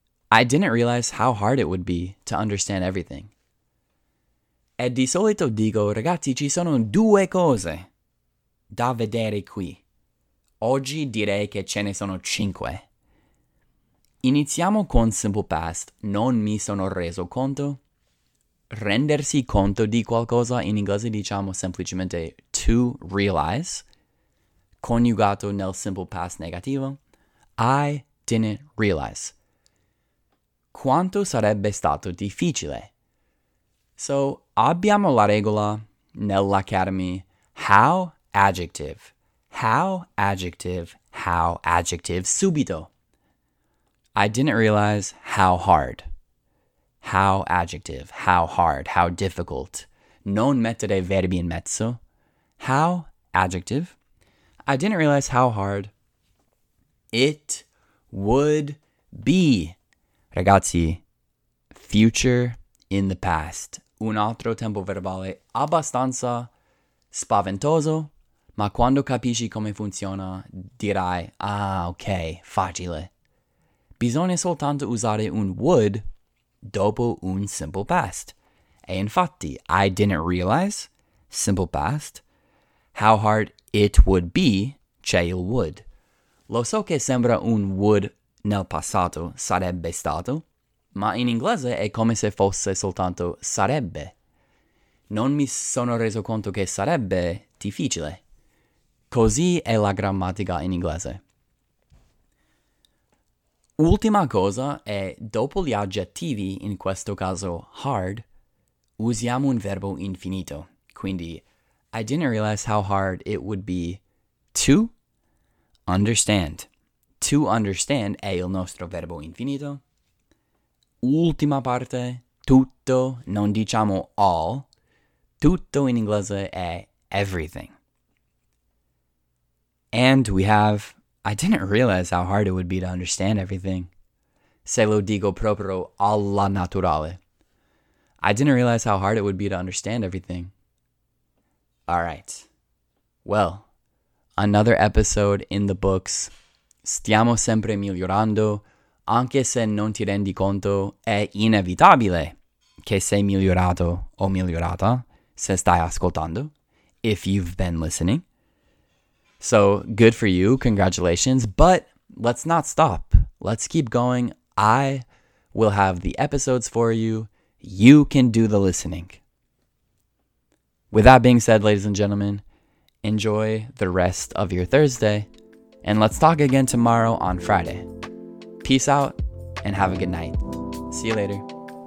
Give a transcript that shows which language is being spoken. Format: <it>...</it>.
<en>I didn't realize how hard it would be to understand everything.</en> <it>E di solito dico, ragazzi, ci sono 2 cose da vedere qui. Oggi direi che ce ne sono 5. Iniziamo con simple past. Non mi sono reso conto. Rendersi conto di qualcosa, in inglese diciamo semplicemente to realize, coniugato nel simple past negativo. I didn't realize. Quanto sarebbe stato difficile? So, abbiamo la regola nell'Academy.</it> <en>How adjective. How adjective. How adjective subito. I didn't realize how hard. How adjective. How hard. How difficult. Non mettere verbi in mezzo. How adjective. I didn't realize how hard it would be.</en> <it>Ragazzi, future in the past. Un altro tempo verbale abbastanza spaventoso, ma quando capisci come funziona, dirai, ah, ok, facile. Bisogna soltanto usare un would dopo un simple past. E infatti, I didn't realize, simple past, how hard it would be, c'è il would. Lo so che sembra un would nel passato, sarebbe stato, ma in inglese è come se fosse soltanto sarebbe. Non mi sono reso conto che sarebbe difficile. Così è la grammatica in inglese. Ultima cosa è, dopo gli aggettivi, in questo caso hard, usiamo un verbo infinito.</it> <en>Quindi, I didn't realize how hard it would be to understand.</en> <it>To understand è il nostro verbo infinito. Ultima parte, tutto, non diciamo all. Tutto in inglese è everything.</it> <en>And we have, I didn't realize how hard it would be to understand everything. Se lo digo proprio alla naturale. I didn't realize how hard it would be to understand everything. All right. Well, another episode in the books.</en> <it>Stiamo sempre migliorando. Anche se non ti rendi conto, è inevitabile che sei migliorato o migliorata.</it> <en>Se stai ascoltando, if you've been listening. So, good for you, congratulations, but let's not stop. Let's keep going. I will have the episodes for you. You can do the listening. With that being said, ladies and gentlemen, enjoy the rest of your Thursday, and let's talk again tomorrow on Friday. Peace out, and have a good night. See you later.</en>